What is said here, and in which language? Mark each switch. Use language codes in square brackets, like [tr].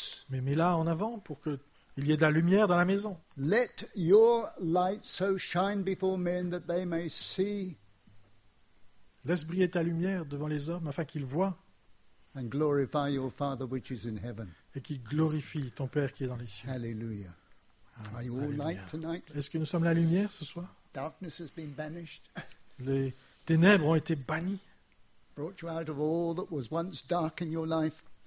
[fr] Mais mets-la en avant pour qu'il y ait de la lumière dans la maison. [en] Let your light so shine before men that they may see. [fr] Laisse briller ta lumière devant les hommes afin qu'ils voient. [en] And glorify your Father which is in heaven. [fr] Et qui glorifie ton Père qui est dans les cieux. [en] Hallelujah. Are you all light tonight? [fr] Est-ce que nous sommes la lumière ce soir? [en] Darkness has been banished. [fr] Les ténèbres ont été bannies. [en] Brought you out of all that was once dark in your life.